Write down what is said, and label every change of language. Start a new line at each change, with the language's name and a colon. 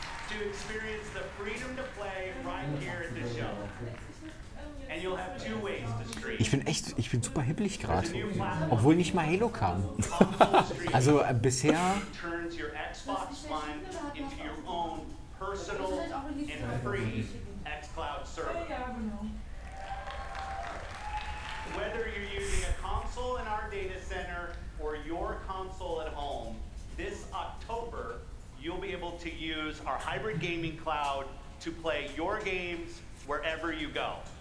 English: To experience the freedom to play right here at the show. And you'll have two ways to stream.
German: Ich bin super hibbelig gerade, obwohl nicht mal Halo kam. Also bisher
English: turns your Xbox One into your own personal and free xCloud server. Whether you're using a console in our data center or your console at home, this October you'll be able to use our hybrid gaming cloud to play your games wherever you go.